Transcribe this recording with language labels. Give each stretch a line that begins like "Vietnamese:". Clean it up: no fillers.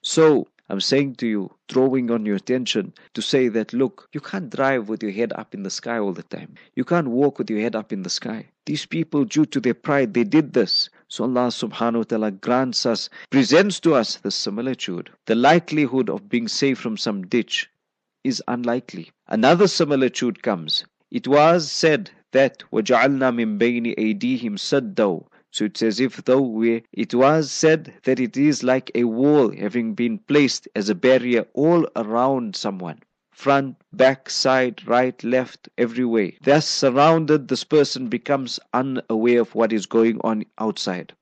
English: So I'm saying to you, drawing on your attention, to say that, look, you can't drive with your head up in the sky all the time. You can't walk with your head up in the sky. These people, due to their pride, they did this. So Allah subhanahu wa ta'ala grants us, presents to us the similitude. The likelihood of being saved from some ditch is unlikely. Another similitude comes. It was said that
Arabic: وَجَعَلْنَا مِنْ بَيْنِ أَيْدِيهِمْ سَدَّوْا.
English: So it says, if though we, it was said that it is like a wall having been placed as a barrier all around someone. Front, back, side, right, left, every way. Thus surrounded, this person becomes unaware of what is going on outside.